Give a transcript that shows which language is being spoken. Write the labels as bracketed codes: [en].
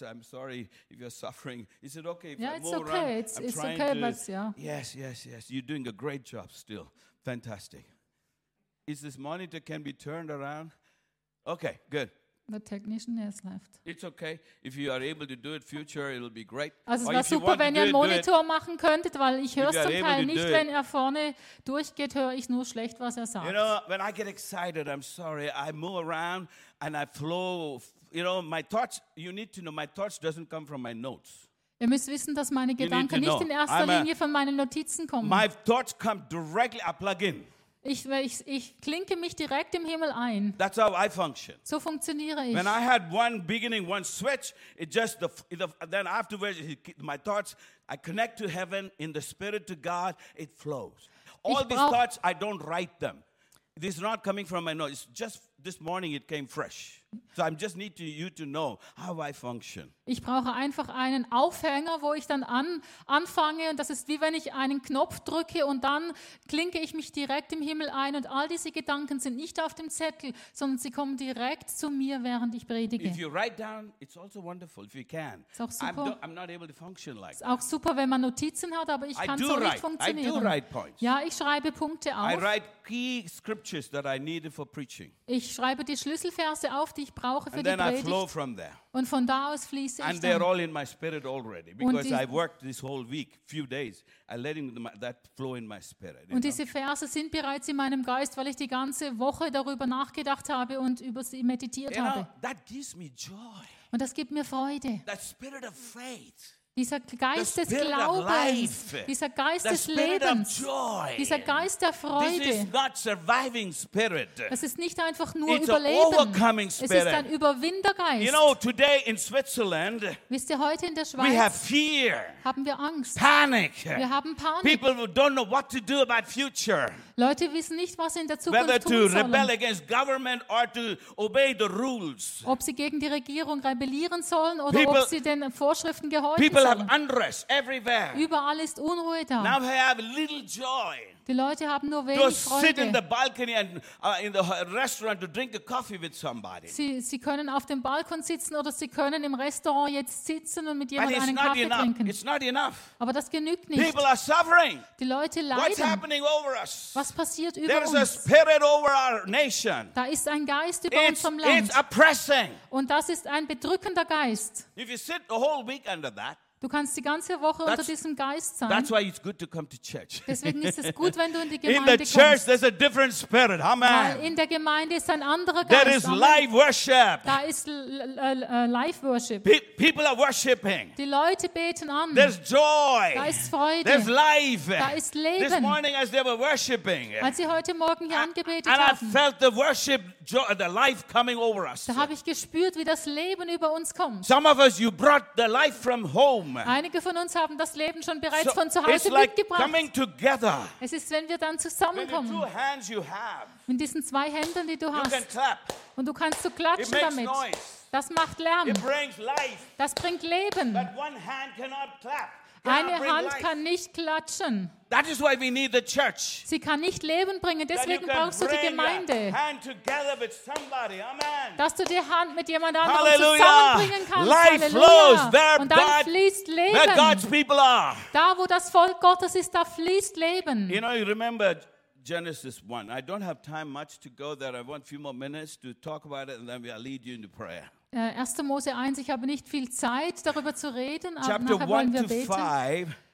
[en] I'm sorry if you're suffering. Is it okay if yeah, I move around? Yeah, it's okay. It's okay, but yeah. Yes. You're doing a great job. Still fantastic. Is this monitor can be turned around? Okay, good. The technician has left. It's okay if you are able to do it. Future, it'll be great. [de] Also es war super, wenn ihr einen Monitor machen könntet, weil ich höre zum Teil nicht, wenn er vorne durchgeht, höre ich nur schlecht, was er sagt. [en] You know, when I get excited, I'm sorry, I move around and I flow. You know, my thoughts. You need to know my thoughts doesn't come from my notes. [de] Ihr müsst wissen, dass meine Gedanken nicht in erster Linie von meinen Notizen kommen. [en] My thoughts come directly, I plug in. [de] Ich klinke mich direkt im Himmel ein. [en] That's how I function. [de] So funktioniere ich. [en] When I had one beginning, one switch, it just then afterwards my thoughts, I connect to heaven in the spirit to God, it flows. All these thoughts, I don't write them. This is not coming from my notes. Just this morning it came fresh. So I just need you to know how I function. [de] Ich brauche einfach einen Aufhänger, wo ich dann anfange. Und das ist wie wenn ich einen Knopf drücke und dann klinke ich mich direkt im Himmel ein. Und all diese Gedanken sind nicht auf dem Zettel, sondern sie kommen direkt zu mir, während ich predige. [en] If you write down, it's also wonderful if you can. [de] Ist auch super. [en] I'm not able to function like that. [de] Ist auch super, wenn man Notizen hat, aber ich kann so nicht funktionieren. [en] I do write points. [de] Ja, ich schreibe Punkte auf. [en] I write key scriptures that I needed for preaching. [de] Ich schreibe die Schlüsselverse auf, die ich brauche für [en] and [de] die Predigt. [en] From there. [de] Und von da aus fließe ich. [en] And they're all in my spirit already, because I worked this whole week, few days, I let that flow in my spirit. [de] Und diese Verse sind bereits in meinem Geist, weil ich die ganze Woche darüber nachgedacht habe und über sie meditiert habe. [en] That gives me joy. [de] Und das gibt mir Freude. [en] That spirit of faith. [de] Dieser Geist des Glaubens, dieser Geist des Lebens, dieser Geist der Freude, [en] this [de] das ist nicht einfach nur Überleben, es ist ein Überwindergeist. [en] You know, today in Switzerland, [de] wisst ihr, heute in der Schweiz [en] we have fear, [de] haben wir Angst, Panik. Wir haben Panik. [en] People who don't know what to do about future. [de] Leute wissen nicht, was sie in der Zukunft tun sollen. [en] Rebel against government or to obey the rules. [de] Ob sie gegen die Regierung rebellieren sollen oder ob sie den Vorschriften gehorchen [en] people [de] sollen. [en] Have unrest everywhere. [de] Überall ist Unruhe da. [en] Now they have little joy. [de] Die Leute haben nur wenig Freude. [en] Sit in the balcony and in the restaurant to drink a coffee with somebody. [de] Sie können auf dem Balkon sitzen oder sie können im Restaurant jetzt sitzen und mit jemandem einen Kaffee trinken. [en] It's not enough. [de] Aber das genügt nicht. [en] People are suffering. [de] Die Leute leiden. [en] What's happening over us? [de] Was passiert über [en] there's [de] uns? [en] A spirit over our nation. [de] Da ist ein Geist über unserem Land. [en] It's oppressing. [de] Und das ist ein bedrückender Geist. [en] If you sit a whole week under that, [de] du kannst die ganze Woche unter diesem Geist sein. [en] That's why it's good to come to church. [de] Deswegen ist es gut, wenn du in die Gemeinde [en] in the [de] kommst. [en] Church, there's a different spirit. Amen. [de] Weil in der Gemeinde ist ein anderer [en] there [de] Geist. [en] Is live worship. [de] Da ist [en] live worship. People are worshiping. [de] Die Leute beten an. [en] There's joy. [de] Da ist Freude. [en] There's life. [de] Da ist Leben. [en] This morning as they were worshiping. [de] Als sie heute Morgen hier angebetet [en] and [de] haben. [en] I felt the worship joy, the life coming over us. [de] Da habe ich gespürt, wie das Leben über uns kommt. [en] Some of us you brought the life from home. [de] Einige von uns haben das Leben schon bereits von zu Hause [en] like [de] mitgebracht. Es ist, wenn wir dann zusammenkommen. [en] With the two hands you have, [de] mit diesen zwei Händen, die du [en] you [de] hast. [en] Can clap. [de] Und du kannst so klatschen [en] it makes [de] damit. [en] Noise. [de] Das macht Lärm. [en] It brings life. [de] Das bringt Leben. [en] But one hand cannot clap. [de] Eine Hand kann nicht klatschen. [en] That is why we need the church. [de] Sie kann nicht Leben bringen, deswegen brauchst du die Gemeinde. [en] Hand together with somebody. Amen. [de] Dass du die Hand mit jemand anderem Halleluja. Zusammenbringen kannst. [en] Life [de] Halleluja. [en] Flows there [de] und dann fließt Leben. [en] Where God's people are. [de] Da, wo das Volk Gottes ist, da fließt Leben. [en] You know, you remember Genesis 1. I don't have time much to go there. I want a few more minutes to talk about it and then I'll lead you into prayer. 1. [de] Mose 1, ich habe nicht viel Zeit, darüber zu reden, aber nachher wollen wir beten.